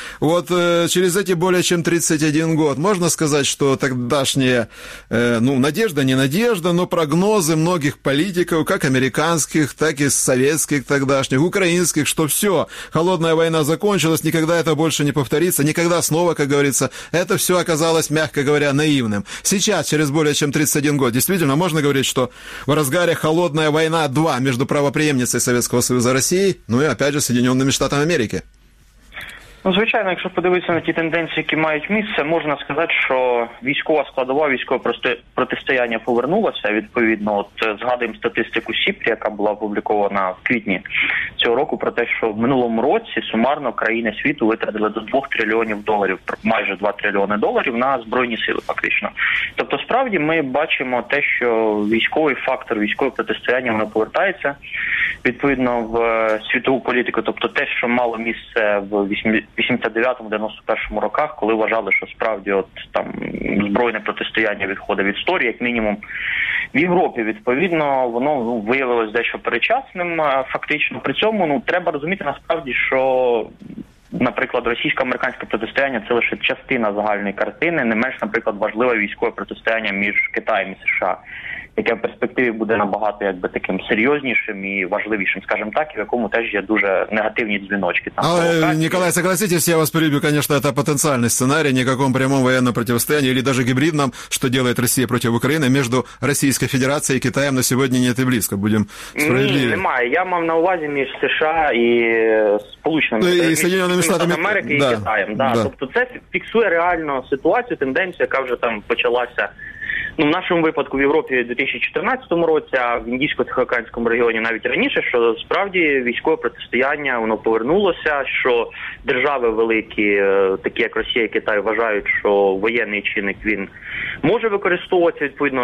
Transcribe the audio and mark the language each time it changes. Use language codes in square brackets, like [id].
[ru] Вот через эти более чем 31 год можно сказать, что тогдашние, ну, надежда, не надежда, но прогнозы многих политиков, как американских, так и советских тогдашних, украинских, что все, холодная война закончилась, никогда это больше не повторится, никогда снова, как говорится, это все оказалось, мягко говоря, наивным. Сейчас, через более чем 31 год, действительно, можно говорить, что в разгаре холодная война 2 между правопреемницей Советского Союза России, ну и, опять же, Соединенными Штатами Америки. [uk] Звичайно, якщо подивитися на ті тенденції, які мають місце, можна сказати, що військова складова, військове протистояння повернулося. Відповідно, от згадуємо статистику СІПРІ, яка була опублікована в квітні цього року, про те, що в минулому році сумарно країни світу витратили до 2 трильйонів доларів, майже 2 трильйони доларів на збройні сили фактично. Тобто, справді ми бачимо те, що військовий фактор, військове протистояння, воно повертається. Відповідно, в світову політику, тобто те, що мало місце в 89-91 роках, коли вважали, що справді от там збройне протистояння відходить від історії, як мінімум в Європі, відповідно, воно виявилось дещо перечасним. Фактично, при цьому треба розуміти насправді, що, наприклад, російсько-американське протистояння – це лише частина загальної картини, не менш, наприклад, важливе військове протистояння між Китаєм і США, яке в перспективі буде набагато якби таким серйознішим і важливішим, скажем так, і в якому теж є дуже негативні дзвіночки. [ru] Там, але, Николай, согласитесь, я вас перебью, конечно, это потенциальный сценарий, никаком прямом военном противостоянии или даже гибридном, что делает Россия против Украины, между Российской Федерацией и Китаем на сегодня нет и близко, будем справедливы. [uk] Ні, немає, я мав на увазі між США і Сполученими [ru] Соединенными Штатами [uk] Америки, да, і Китаем. Да. Да. Тобто це фіксує реальну ситуацію, тенденцію, яка вже там почалася. Ну, в нашому випадку в Європі в 2014 році, а в Індійсько-Тихоокеанському регіоні навіть раніше, що справді військове протистояння, воно повернулося, що держави великі, такі як Росія і Китай, вважають, що воєнний чинник, він може використовуватися, відповідно.